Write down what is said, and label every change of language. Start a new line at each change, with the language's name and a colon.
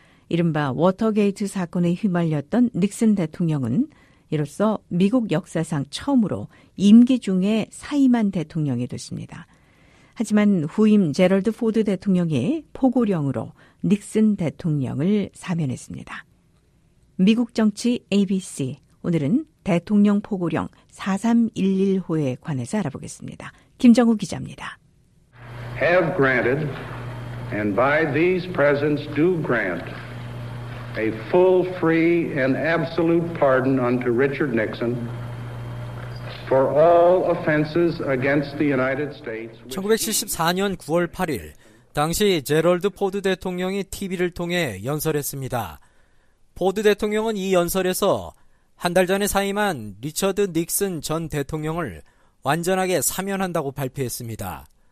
Korean: 이른바 워터게이트 사건에 휘말렸던 닉슨 대통령은 이로써 미국 역사상 처음으로 임기 중에 사임한 대통령이 됐습니다. 하지만 후임 제럴드 포드 대통령이 포고령으로 닉슨 대통령을 사면했습니다. 미국 정치 ABC, 오늘은 대통령 포고령 4311호에 관해서 알아보겠습니다. 김정우 기자입니다.
English: Have granted and by these presents do grant a full, free and absolute pardon unto Richard Nixon. For all offenses against the United States.
Korean: 1974년 9월 8일 당시 제럴드 포드 대통령이 TV를 통해 연설했습니다. 포드 대통령은 이 연설에서 한 달 전에 사임한 리처드 닉슨 전 대통령을 완전하게 사면한다고 발표했습니다.